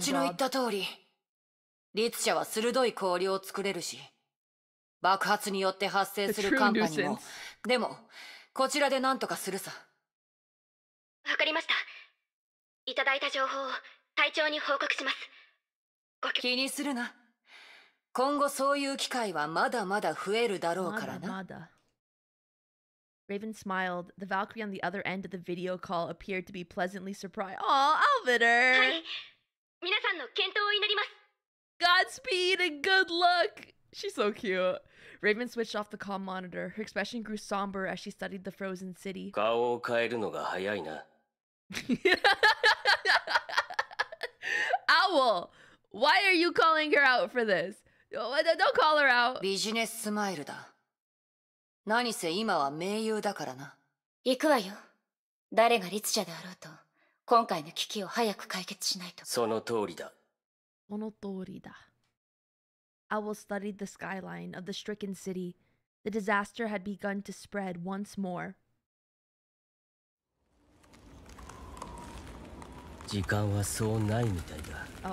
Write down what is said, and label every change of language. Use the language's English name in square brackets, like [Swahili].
[Japanese] ちの言った通り、律者は鋭い氷を作れるし、爆発によって発生する寒波にも、でも、こちらで何とかするさ。わかりました。いただいた情報を、隊長に報告します。気にするな。今後そういう機会はまだまだ増えるだろうからな。まだまだ。 [English] Raven smiled. The Valkyrie on the other end of the video call appeared to be pleasantly surprised. Aww, Alvitter! [Japanese] はい。皆さんの健闘を祈ります。 [English] Godspeed and good luck! She's so cute. Raven switched off the comm monitor. Her expression grew somber as she studied the frozen city. [Japanese] 顔を変えるのが早いな。 [English] Owl, why are you calling her out for this? Don't call her out. Business smile だ。 [Japanese] 何せ今は名優だからな。行くわよ。誰が律者であろうと、今回の危機を早く解決しないと。その通りだ。その通りだ。 [English] Owl studied the skyline of the stricken city. The disaster had begun to spread once more. [Japanese] 時間はそうないみたいだ。